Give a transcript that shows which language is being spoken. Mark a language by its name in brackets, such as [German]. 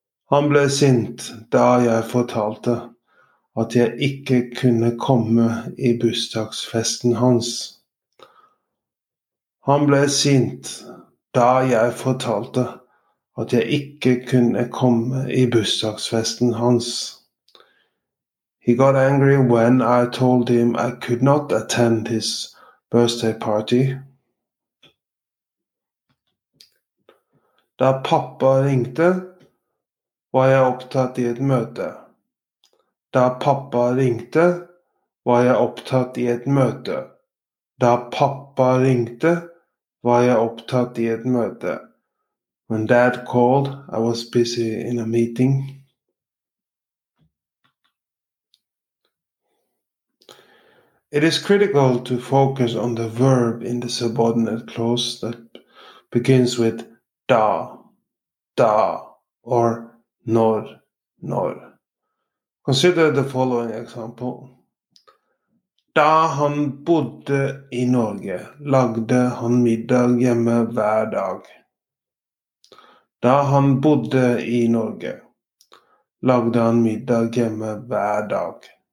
[Norwegian] Han ble sint da jeg fortalte at jeg ikke kunne komme i bursdagsfesten hans. Han ble sint da jeg fortalte at jeg ikke kunne komme i bursdagsfesten hans. [English] He got angry when I told him I could not attend his birthday party. [Norwegian] Da pappa ringte, var jeg opptatt i et møte. Da pappa ringte, var jeg opptatt i et møte. Da pappa ringte, var jeg opptatt i et møte. [English] When dad called, I was busy in a meeting. It is critical to focus on the verb in the subordinate clause that begins with da, or nod. Consider the following example. [Norwegian] Da han bodde i Norge, lagde han middag hjemme hver dag. Da han bodde i Norge, lagde han middag hjemme hver dag.